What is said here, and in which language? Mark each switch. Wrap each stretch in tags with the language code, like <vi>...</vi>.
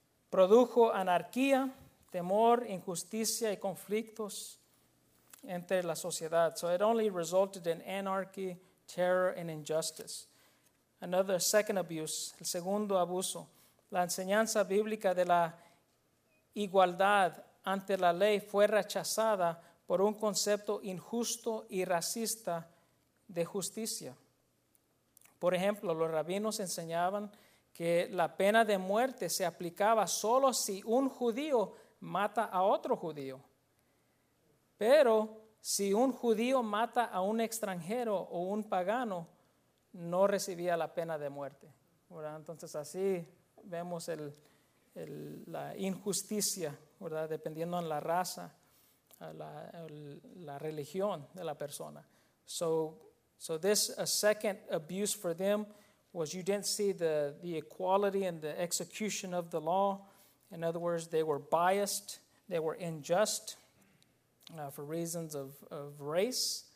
<es>Produjo anarquía, temor, injusticia y conflictos entre la sociedad.</es> <en>So it only resulted in anarchy, terror, and injustice. Another second abuse,</en> <es>el segundo abuso, la enseñanza bíblica de la igualdad ante la ley fue rechazada por un concepto injusto y racista de justicia. Por ejemplo, los rabinos enseñaban que la pena de muerte se aplicaba solo si un judío mata a otro judío. Pero si un judío mata a un extranjero o un pagano, no recibía la pena de muerte. ¿Verdad? Entonces así vemos la injusticia, ¿verdad? Dependiendo en la raza, la religión de la persona.</es> <en>So this, a second abuse for them, was you didn't see the equality and the execution of the law. In other words, they were biased, they were unjust for reasons of race.</en>